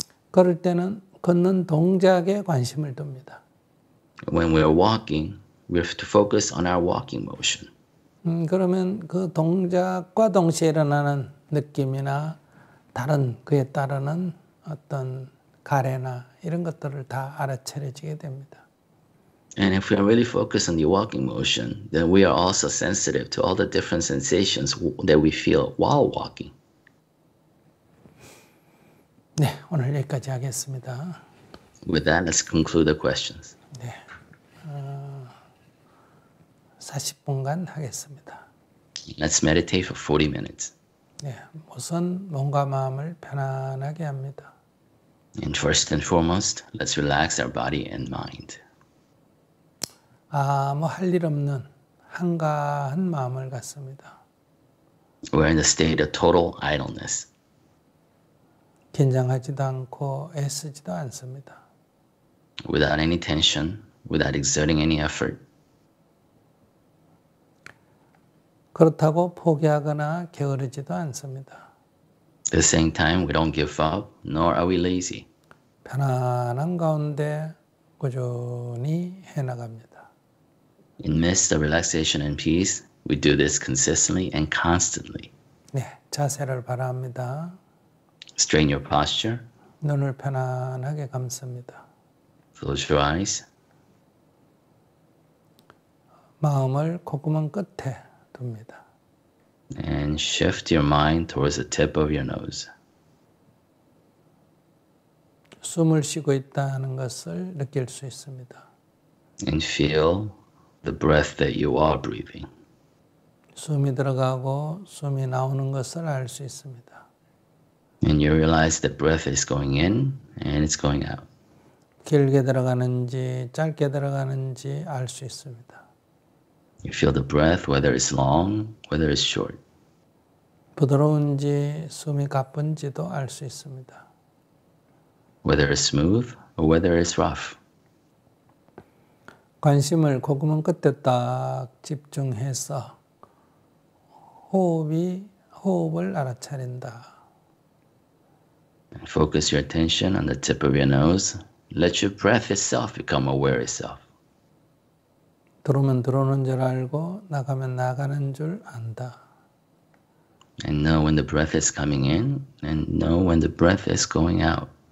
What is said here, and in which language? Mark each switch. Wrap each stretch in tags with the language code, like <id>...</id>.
<ko>걸을 때는 걷는 동작에 관심을 둡니다.</ko> <en>When we are walking, we have to focus on our walking motion.</en> <ko>그러면 그 동작과 동시에 일어나는 느낌이나 다른 그에 따르는 어떤 가래나 이런 것들을 다 알아차려지게 됩니다.</ko> <en>And if we are really focused on the walking motion, then we are also sensitive to all the different sensations that we feel while walking.</en> <ko>네, 오늘 여기까지 하겠습니다.</ko> <en>With that, let's conclude the questions.</en> <ko>네. 40분간 하겠습니다.</ko> <en>Let's meditate for 40 minutes.</en> <ko>네, 우선 몸과 마음을 편안하게 합니다.</ko> <en>And first and foremost, let's relax our body and mind.</en> <ko>아무 할 일 없는 한가한 마음을 갖습니다.</ko> <en>We're in a state of total idleness.</en> <ko>긴장하지도 않고 애쓰지도 않습니다.</ko> <en>Without any tension, without exerting any effort.</en> <ko>그렇다고 포기하거나 게으르지도 않습니다.</ko> <en>At the same time, we don't give up, nor are we lazy.</en> <ko>편안한 가운데 꾸준히 해나갑니다.</ko> <en>In midst of relaxation and peace, we do this consistently and constantly.</en> <ko>네, 자세를 바라봅니다.</ko> <en>Strain your posture.</en> <ko>눈을 편안하게 감습니다.</ko> <en>Close your eyes.</en> <ko>마음을 콧구멍 끝에 둡니다.</ko> <en>And shift your mind towards the tip of your nose.</en> <ko>숨을 쉬고 있다는 것을 느낄 수 있습니다.</ko> <en>And feel the breath that you are breathing.</en> <ko>숨이 들어가고 숨이 나오는 것을 알 수 있습니다.</ko> <en>And you realize that breath is going in and it's going out.</en> <ko>길게 들어가는지 짧게 들어가는지 알 수 있습니다.</ko> <en>You feel the breath, whether it's long, whether it's short.</en> <ko>부드러운지 숨이 가쁜지도 알 수 있습니다.</ko> <en>Whether it's smooth or whether it's rough.</en> <ko>관심을 코구멍 끝에 딱 집중해서 호흡을 알아차린다.</ko> <en>Focus your attention on the tip of your nose. Let your breath itself become aware itself.</en> <ko>들어오면 들어오는 줄 알고 나가면 나가는 줄 안다.</ko> <en>And know when the breath is coming in and know when the breath is going out.</en>